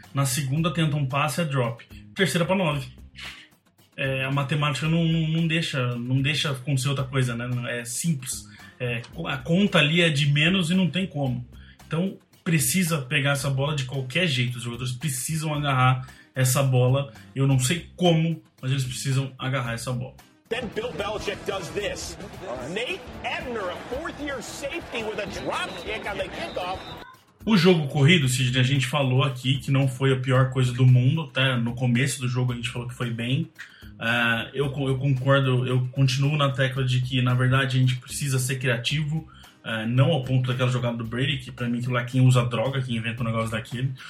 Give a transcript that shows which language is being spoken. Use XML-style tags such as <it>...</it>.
<pt>Na segunda, tenta um passe, é drop. Terceira para 9. A matemática não deixa acontecer outra coisa, né? É simples. A conta ali é de menos e não tem como. Então precisa pegar essa bola de qualquer jeito. Os jogadores precisam agarrar essa bola. Eu não sei como, mas eles precisam agarrar essa bola.</pt> <en>Then Bill Belichick does this. Nate Ebner, a fourth year safety with a drop kick on the kickoff.</en> <pt>O jogo corrido, Sidney, a gente falou aqui que não foi a pior coisa do mundo. Até no começo do jogo a gente falou que foi bem. Eu concordo, eu continuo na tecla de que, na verdade, a gente precisa ser criativo, não ao ponto daquela jogada do Brady, que pra mim aquilo lá é quem usa droga, quem inventa um negócio daquele.</pt>